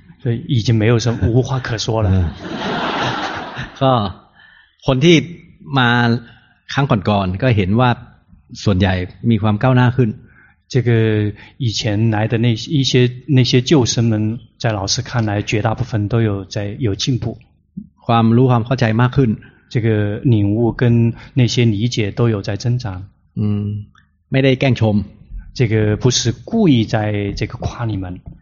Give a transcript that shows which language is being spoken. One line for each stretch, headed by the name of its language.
Chinese: 所以已经没有什么无话可说了
Thai: ก็คนที่มาครั้งก่อนๆก็เห็นว่าส่วนใหญ่มีความก้าวหน้าขึ้น
Chinese: 这个以前来的那些救生们在老师看来绝大部分都有进步
Thai: ความรู้ความเข้าใจมากขึ้น
Chinese: 这个领悟跟那些理解都有在增长
Thai: ไม่ได้แกล้งชม
Chinese: 这个不是故意在这个夸你们